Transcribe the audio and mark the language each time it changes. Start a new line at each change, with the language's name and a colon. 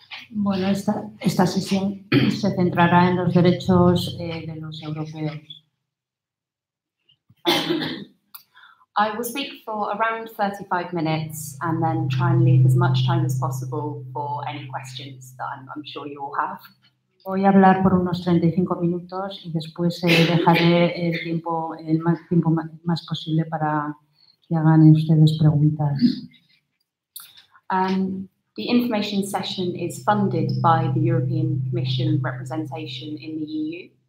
Spanish: Bueno, esta sesión se centrará en los derechos de los europeos.
English: I will speak for around 35 minutes and then try and leave as much time as possible for any questions that I'm sure you all have.
Spanish: Voy a hablar por unos 35 minutos y después dejaré el tiempo más posible para que hagan ustedes preguntas.
English: The information session is funded by the European Commission representation in the EU.